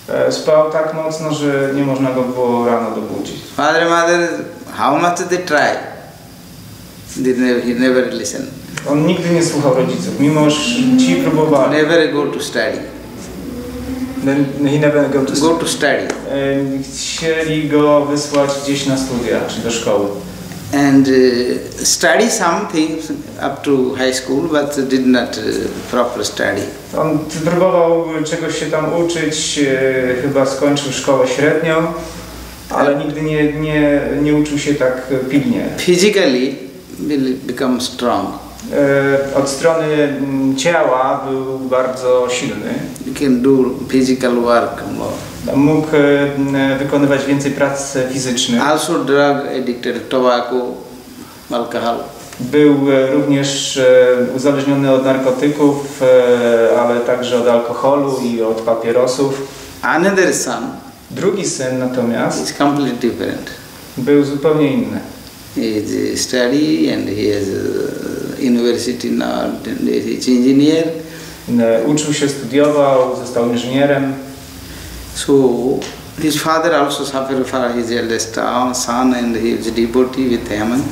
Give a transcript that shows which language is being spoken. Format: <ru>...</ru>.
<pl>Spał tak mocno, że nie można go było rano dobudzić.</pl> <en>Father, mother, how much they try? He never listen.</en> <pl>On nigdy nie słuchał rodziców, mimo że ci próbowali.</pl> <en>Never go to study. Then he never go to study. Go to study.</en> <pl>Chcieli go wysłać gdzieś na studia, czy do szkoły.</pl> <en>And study some things up to high school, but did not proper study.</en> <pl>On próbował czegoś się tam uczyć, chyba skończył szkołę średnią, ale nigdy nie uczył się tak pilnie.</pl> <en>Physically will become strong.</en> <pl>Od strony ciała był bardzo silny.</pl> <en>You can do physical work more.</en> <pl>Mógł wykonywać więcej prac fizycznych.</pl> <en>Also drug addicted, tobacco, alcohol.</en> <pl>Był również uzależniony od narkotyków, ale także od alkoholu i od papierosów.</pl> <en>Another son.</en> <pl>Drugi syn natomiast.</pl> <en>Is completely different.</en> <pl>Był zupełnie inny.</pl> <en>He study and he is university now and he's engineer.</en> <pl>Uczył się, studiował, został inżynierem.</pl> <en>So his father also suffered for his eldest son and his devotee with him.</en>